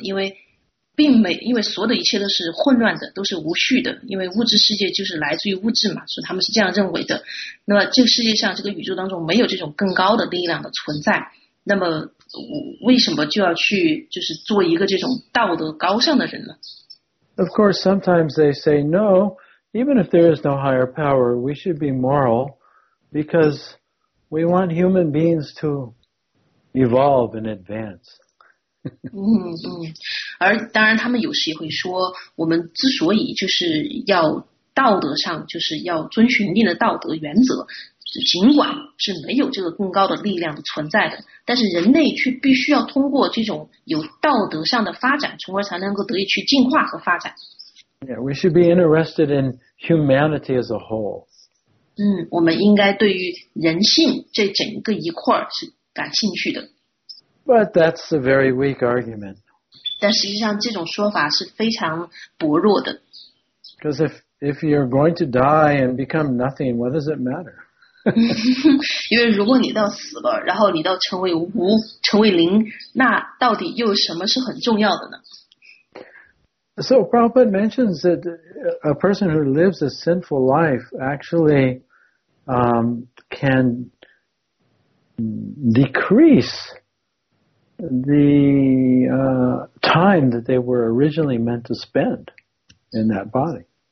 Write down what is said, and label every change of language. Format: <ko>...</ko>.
<zh>因为所有的一切都是混乱的，都是无序的，因为物质世界就是来自于物质嘛，所以他们是这样认为的。那么这个世界上这个宇宙当中没有这种更高的力量的存在，那么为什么就要去就是做一个这种道德高尚的人呢？</zh> <en>Of course, sometimes they say, no, even if there is no higher power, we should be moral because we want human beings to evolve and advance.</en> <zh>而当然他们有时也会说，我们之所以就是要道德上就是要遵循一定的道德原则，尽管是没有这个更高的力量存在的，但是人类却必须要通过这种有道德上的发展，从而才能够得以去进化和发展。</zh> <en>Yeah, we should be interested in humanity as a whole.</en> <zh>我们应该对于人性这整个一块是感兴趣的。</zh> <en>But that's a very weak argument.</en> <zh>但实际上这种说法是非常薄弱的。</zh> <en>Because if you're going to die and become nothing, what does it matter?</en> <zh>因为如果你到死了，然后你到成为无，成为零，那到底又什么是很重要的呢？</zh> <en>So Prabhupada mentions that a person who lives a sinful life actually can decrease the time that they were originally meant to spend in that body.</en>